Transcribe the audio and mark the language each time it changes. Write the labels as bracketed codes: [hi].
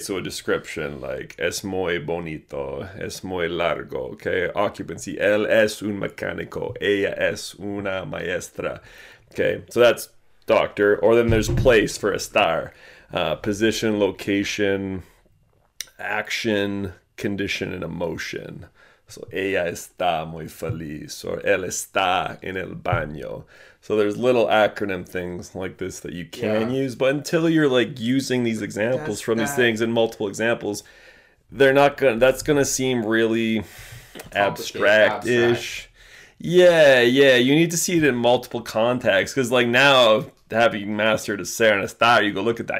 [en] So a description like [es] es muy bonito, es muy largo, [en] okay? [es] Occupancy, él es un mecánico, ella es una maestra, [en] okay? So that's doctor. Or then there's place for estar, position, location, action, condition, and emotion. So [es] ella está muy feliz, [en] or [es] él está en el baño. [en] So there's little acronym things like this that you can use, but until you're like using these examples these things in multiple examples, that's going to seem really abstract-ish. Yeah. You need to see it in multiple contexts. Cause like now having mastered a ser and a star, you go look at that.